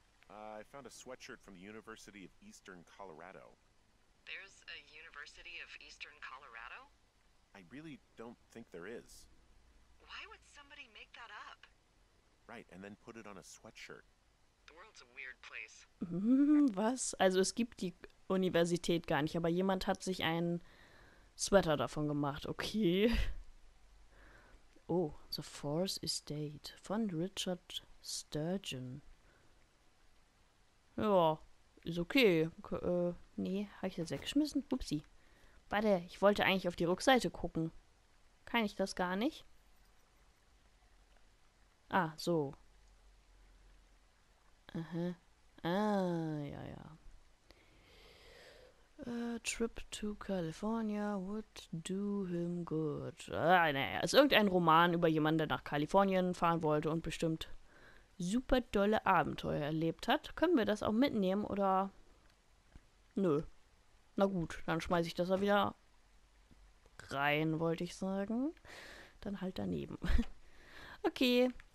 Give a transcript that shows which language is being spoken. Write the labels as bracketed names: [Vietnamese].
[English] I found a sweatshirt from the University of Eastern Colorado. There's a University of Eastern Colorado? I really don't think there is. Why would somebody make that up? Right, and then put it on a sweatshirt. The world's a weird place. [German] Was? Also es gibt die Universität gar nicht, aber jemand hat sich einen Sweater davon gemacht. Okay. Oh, The Force Estate von Richard Sturgeon. Ja, ist okay. Nee, habe ich das weggeschmissen? Upsi. Warte, ich wollte eigentlich auf die Rückseite gucken. Kann ich das gar nicht? Ah, so. Aha. Ah, ja. [English] Trip to California would do him good. [German] Ah, naja, ist irgendein Roman über jemanden, der nach Kalifornien fahren wollte und bestimmt super dolle Abenteuer erlebt hat. Können wir das auch mitnehmen oder? Nö. Na gut, dann schmeiße ich das da wieder rein, wollte ich sagen. Dann halt daneben. Okay.